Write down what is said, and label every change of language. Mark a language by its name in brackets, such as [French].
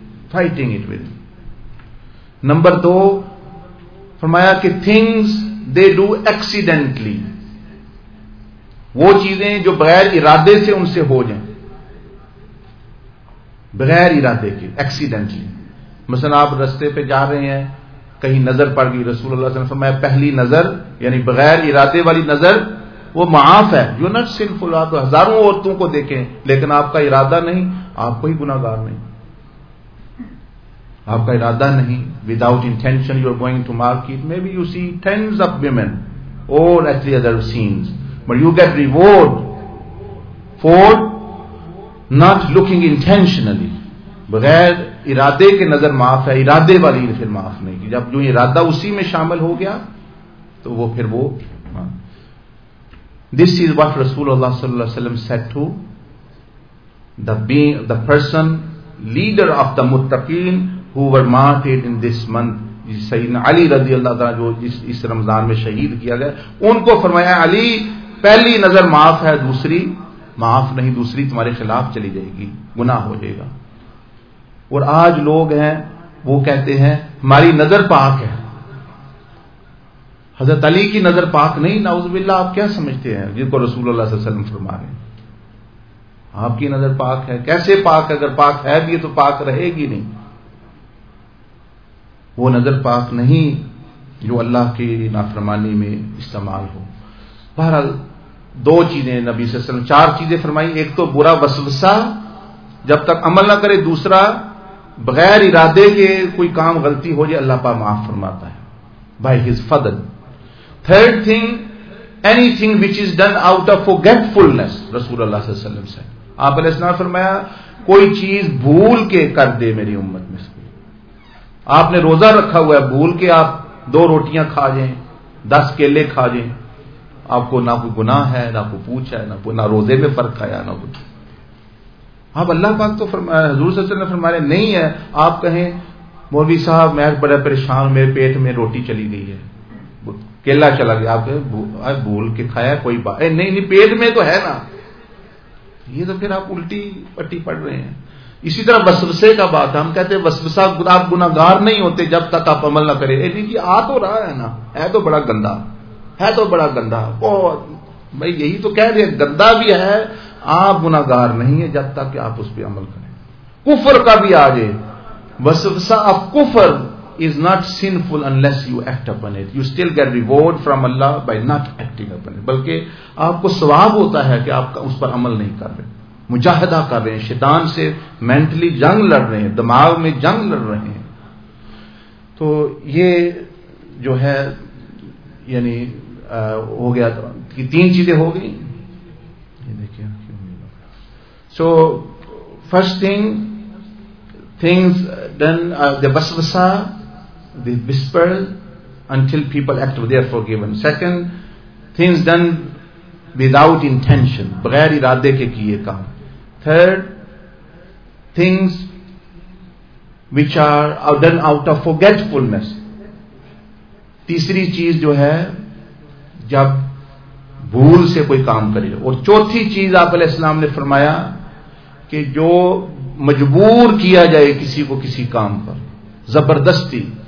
[English] Fighting it with. Number two, [Urdu] farmaya ki [English] things they do accidentally. [Urdu] وہ چیزیں جو بغیر ارادے سے ان سے ہو جائیں بغیر ارادے کے ایکسیڈنٹلی. مثلا آپ رستے پہ جا رہے ہیں کہیں نظر پڑ گئی. رسول اللہ صلی اللہ علیہ وسلم میں پہلی نظر یعنی بغیر ارادے والی نظر وہ معاف ہے. یو نٹ صرف اللہ تو ہزاروں عورتوں کو دیکھیں لیکن آپ کا ارادہ نہیں آپ کو ہی گناہگار نہیں. آپ کا ارادہ نہیں [English] Without intention you are going to market maybe you see tens of women اور actually other scenes. But you get reward for not looking intentionally. [Urdu] بغیر ارادے کے نظر معاف ہے. ارادے والی پھر معاف نہیں. جب جو ارادہ اسی میں شامل ہو گیا تو وہ پھر وہ. [English] This is what رسول اللہ صلی اللہ علیہ وسلم said to the person leader of the متقین who were martyred in this month. [Urdu] سیدنا علی رضی اللہ عنہ جو اس رمضان میں شہید کیا گیا ان کو فرمایا علی پہلی نظر معاف ہے دوسری معاف نہیں. دوسری تمہارے خلاف چلی جائے گی گناہ ہو جائے گا. اور آج لوگ ہیں وہ کہتے ہیں ہماری نظر پاک ہے. حضرت علی کی نظر پاک نہیں نعوذ باللہ. آپ کیا سمجھتے ہیں جن کو رسول اللہ صلی اللہ علیہ وسلم فرما رہے ہیں آپ کی نظر پاک ہے. کیسے پاک ہے؟ اگر پاک ہے بھی تو پاک رہے گی نہیں. وہ نظر پاک نہیں جو اللہ کی نافرمانی میں استعمال ہو. بہرحال دو چیزیں نبی صلی اللہ علیہ وسلم چار چیزیں فرمائی. ایک تو برا وسوسہ جب تک عمل نہ کرے. دوسرا بغیر ارادے کے کوئی کام غلطی ہو جائے اللہ پاک معاف فرماتا ہے [English] by his [Urdu] Fazal. [English] Third thing anything which is done out of forgetfulness. [Urdu] رسول اللہ صلی اللہ علیہ وسلم سے آپ علیہ السلام فرمایا کوئی چیز بھول کے کر دے میری امت میں سے. آپ نے روزہ رکھا ہوا ہے بھول کے آپ دو روٹیاں کھا جائیں دس کیلے کھا جائیں آپ کو نہ کوئی گناہ ہے نہ کوئی پوچھ ہے نہ روزے میں فرق آیا نہ کچھ. آپ اللہ پاک تو حضور صلی اللہ علیہ وسلم نے فرمایا نہیں ہے. آپ کہیں مولوی صاحب میں بڑا پریشان، میرے پیٹ میں روٹی چلی گئی ہے، کیلا چلا گیا، آپ بھول کے کھایا کوئی بات نہیں، نہیں پیٹ میں تو ہے نا، یہ تو پھر آپ الٹی پٹی پڑ رہے ہیں. اسی طرح وسوسے کا بات، ہم کہتے ہیں وسوسہ، آپ گناہگار نہیں ہوتے جب تک آپ عمل نہ کرے. نہیں جی آ تو رہا ہے نا، ہے تو بڑا گندا، ہے تو بڑا گندا، بہت میں یہی تو کہہ رہے ہیں، گندا بھی ہے، آپ گناہگار نہیں ہے جب تک کہ آپ اس پہ عمل کریں. کفر کا بھی آ جائے، وسوسہ آپ کفر [English] is not sinful unless you act upon it. You still get reward from Allah by not acting upon it. [Urdu] بلکہ آپ کو ثواب ہوتا ہے کہ آپ اس پر عمل نہیں کر رہے، مجاہدہ کر رہے ہیں، شیطان سے مینٹلی جنگ لڑ رہے ہیں، دماغ میں جنگ لڑ رہے ہیں. تو یہ جو ہے یعنی ہو گیا کہ تین چیزیں ہو گئیں. یہ دیکھیں [English] So first things done the وسوسہ the whisper until people act, they are forgiven. Second, things done without intention, [Urdu] بغیر ارادے کے کیے کام. [English] Third, things which are done out of forgetfulness. [Urdu] تیسری چیز جو ہے جب بھول سے کوئی کام کرے. اور چوتھی چیز آپ علیہ السلام نے فرمایا کہ جو مجبور کیا جائے کسی کو کسی کام پر زبردستی.